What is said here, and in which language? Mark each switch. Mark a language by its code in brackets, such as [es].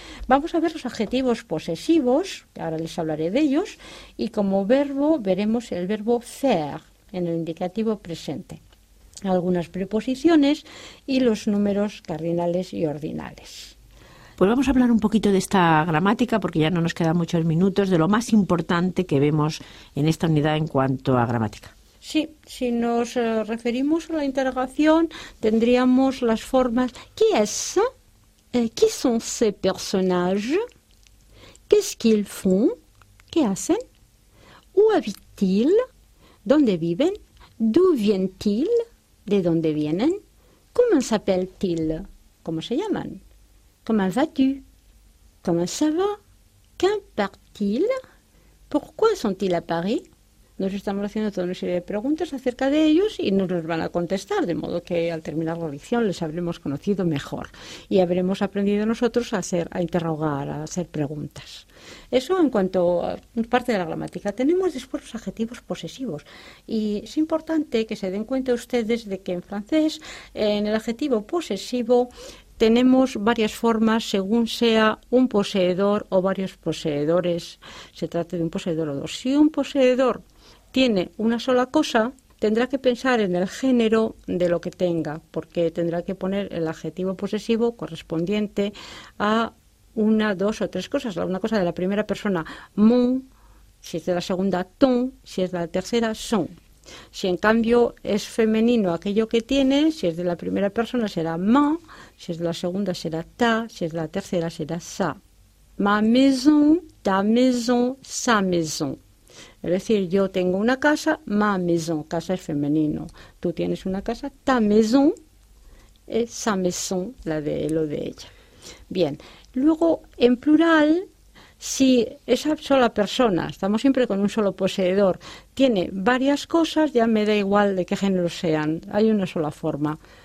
[es] Vamos a ver los adjetivos posesivos, que ahora les hablaré de ellos, y como verbo veremos el verbo faire en el indicativo presente, algunas preposiciones y los números cardinales y ordinales. Pues vamos a hablar un poquito de esta gramática, porque ya no nos quedan muchos minutos, de lo más importante que vemos en esta unidad en cuanto a gramática. Sí, si nos referimos a la interrogación, tendríamos las formas ¿qué es? [fr] ¿Qui sont ces personnages? ¿Qu'est-ce qu'ils font? [es] ¿Qué hacen? [fr] ¿Où habitent-ils? [es] ¿Dónde viven? [fr] ¿D'où viennent-ils? [es] ¿De dónde vienen? [fr] ¿Comment s'appellent-ils? [es] ¿Cómo se llaman? [fr] Comment vas-tu? Comment ça va? Qu'importe-t-il? Pourquoi sont-ils à Paris? [es] Nos estamos haciendo toda una serie de preguntas acerca de ellos y nos los van a contestar, de modo que al terminar la lección les habremos conocido mejor y habremos aprendido nosotros a interrogar, a hacer preguntas. Eso en cuanto a parte de la gramática. Tenemos después los adjetivos posesivos y es importante que se den cuenta ustedes de que en francés, en el adjetivo posesivo, tenemos varias formas según sea un poseedor o varios poseedores. Se trate de un poseedor o dos. Si un poseedor tiene una sola cosa, tendrá que pensar en el género de lo que tenga, porque tendrá que poner el adjetivo posesivo correspondiente a una, dos o tres cosas. Una cosa de la primera persona, mon, si es de la segunda, ton, si es de la tercera, son. Si en cambio es femenino aquello que tiene, si es de la primera persona será ma, si es de la segunda será ta, si es de la tercera será sa. [fr] Ma maison, ta maison, sa maison. [es] Es decir, yo tengo una casa, [fr] ma maison, [es] casa es femenino. Tú tienes una casa, [fr] ta maison, et sa maison, [es] la de él o de ella. Bien, luego en plural, si esa sola persona, estamos siempre con un solo poseedor, tiene varias cosas, ya me da igual de qué género sean, hay una sola forma.